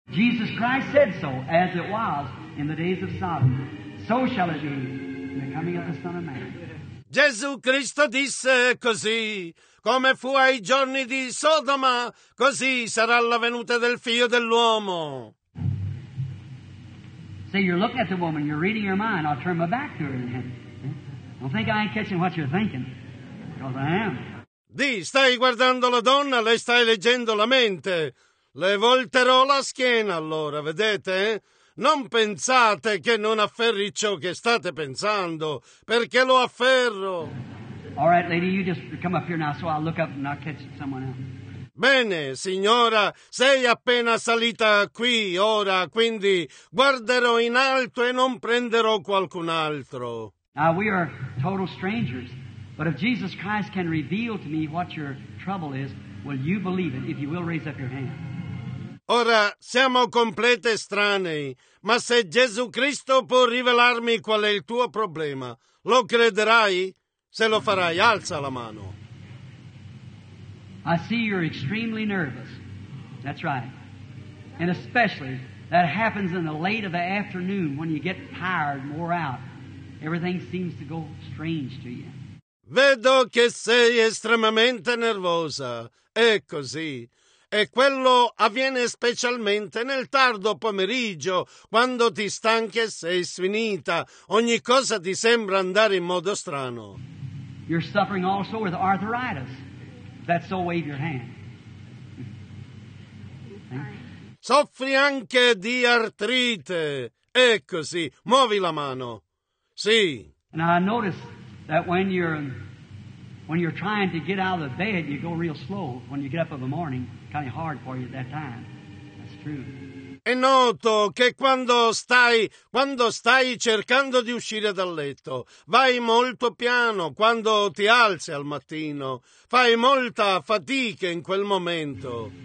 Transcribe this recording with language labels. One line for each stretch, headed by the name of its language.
English: Jesus Christ said so, as it was in the days of Sodom, so shall it be in the coming of the Son of Man.
Italian: Gesù Cristo disse così, come fu ai giorni di Sodoma, così sarà la venuta del Figlio dell'uomo.
English: See, you're looking at the woman, you're reading her mind, I'll turn my back to her. Then. Don't think I ain't catching what you're thinking, because I am.
Italian: Di, stai guardando la donna, lei stai leggendo la mente. Le volterò la schiena allora, vedete? Non pensate che non afferri ciò che state pensando, perché lo afferro.
English: All right, lady, you just come up here now so I'll look up and I'll catch someone else.
Italian: Bene, signora, sei appena salita qui ora, quindi guarderò in alto e non prenderò qualcun altro.
English: Now we are total strangers, but if Jesus Christ can reveal to me what your trouble is, will you believe it if you will raise up your hand?
Italian: Ora siamo complete estranei, ma se Gesù Cristo può rivelarmi qual è il tuo problema, lo crederai? Se lo farai, alza la mano.
English: I see you're extremely nervous. That's right. And especially that happens in the late of the afternoon when you get tired, wore out. Everything seems to go strange to you.
Italian: Vedo che sei estremamente nervosa. È così. E quello avviene specialmente nel tardo pomeriggio, quando ti stanchi e sei sfinita. Ogni cosa ti sembra andare in modo strano.
English: You're suffering also with arthritis. That's so, wave your hand.
Italian: Soffri anche di artrite. È così. Muovi la mano. Sì.
English: Now I notice that when you're trying to get out of the bed, you go real slow when you get up in the morning. Kind of hard for you at that time. That's true.
Italian: E noto che quando stai cercando di uscire dal letto, vai molto piano quando ti alzi al mattino. Fai molta fatica in quel momento.